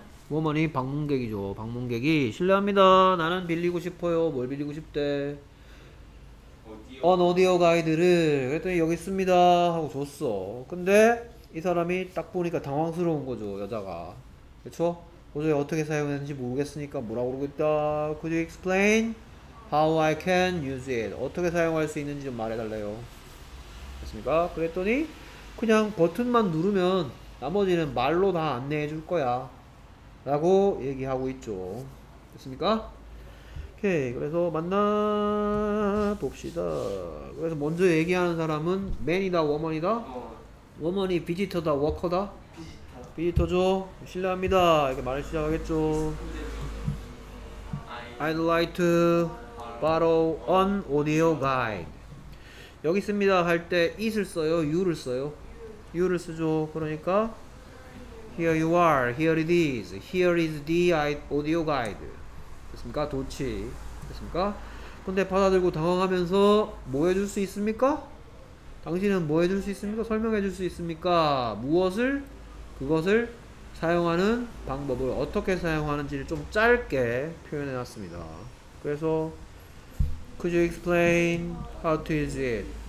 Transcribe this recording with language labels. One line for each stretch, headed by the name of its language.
Korean: 워먼이 방문객이죠. 방문객이 실례합니다. 나는 빌리고 싶어요. 뭘 빌리고 싶대? 언 오디오 가이드를. 그랬더니 여기 있습니다 하고 줬어. 근데 이 사람이 딱 보니까 당황스러운 거죠. 여자가. 그쵸? 도저히 어떻게 사용했는지 모르겠으니까 뭐라고 그러겠다.
English: Could you explain how I can use it?
Korean: 어떻게 사용할 수 있는지 좀 말해달래요. 됐습니까? 그랬더니 그냥 버튼만 누르면 나머지는 말로 다 안내해 줄 거야 라고 얘기하고 있죠. 됐습니까? 오케이. 그래서 만나 봅시다. 그래서 먼저 얘기하는 사람은 맨이다, 워먼이다? 워먼이 비지터다, 워커다? 비지터죠. 실례합니다 이렇게 말을 시작하겠죠.
English: I'd like to borrow an audio guide.
Korean: 여기 있습니다 할 때 it을 써요? you를 써요? you를 쓰죠. 그러니까
English: here you are, here it is, here is the audio guide.
Korean: 됐습니까? 도치. 됐습니까? 근데 받아들고 당황하면서 뭐 해줄 수 있습니까? 당신은 뭐 해줄 수 있습니까? 설명해 줄 수 있습니까? 무엇을? 그것을 사용하는 방법을 어떻게 사용하는지를 좀 짧게 표현해 놨습니다. 그래서
English: Could you explain how to use it?